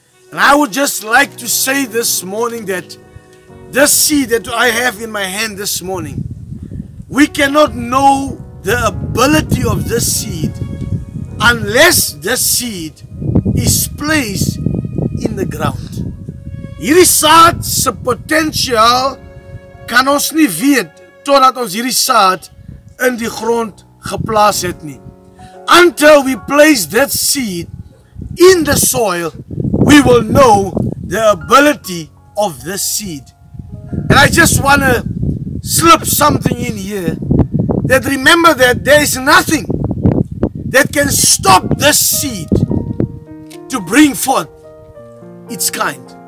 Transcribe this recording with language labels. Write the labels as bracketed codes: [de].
[en] And I would just like to say this morning that this seed that I have in my hand this morning, we cannot know the ability of this seed unless this seed is placed in the ground. [af] Hierdie saad se potensiaal kan ons nie weet totdat ons hierdie saad in die grond geplaas het nie. [en] Until we place that seed in the soil, we will know the ability of the seed. And I just want to slip something in here, that remember that there is nothing that can stop this seed to bring forth its kind.